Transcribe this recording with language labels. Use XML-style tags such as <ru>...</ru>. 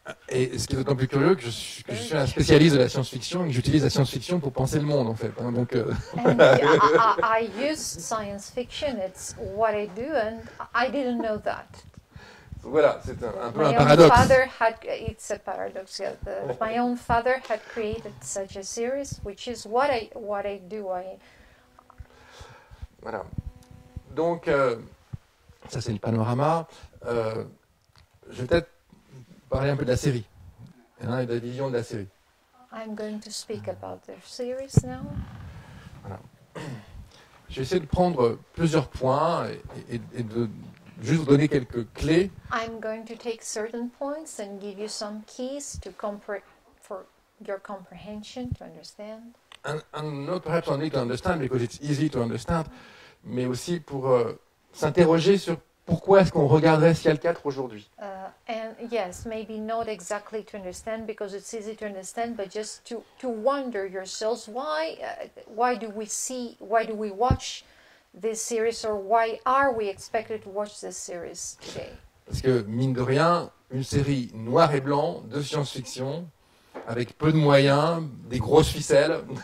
<fr>Et ce qui est d'autant plus curieux, que je suis un spécialiste de la science-fiction et que j'utilise la science-fiction pour penser le monde, en fait. Hein, donc,</fr> <en>I use science-fiction, it's what I do, and I didn't know that.</en> <fr>Voilà, c'est un peu un paradoxe.</fr> <en>My own father had created such a series, which is what I do.</en> <fr>Voilà. Donc... ça, c'est le panorama. Je vais peut-être parler un peu de la série, hein, et de la vision de la série.</fr> <en>I'm going to speak about the series now.</en> <fr>Voilà. Je vais essayer de prendre plusieurs points et de juste vous donner quelques clés.</fr> <en>I'm going to take certain points and give you some keys to for your comprehension, to understand. And not perhaps only to understand, because it's easy to understand,</en> <fr>mais aussi pour... s'interroger sur pourquoi est-ce qu'on regarderait Sial 4 aujourd'hui.</fr> <en>Yes, maybe not exactly to understand because it's easy to understand, but just to wonder yourselves why do we watch this series or why are we expected to watch this series today?</en> <fr>Parce que mine de rien, une série noir et blanc de science-fiction avec peu de moyens, des grosses ficelles.</fr>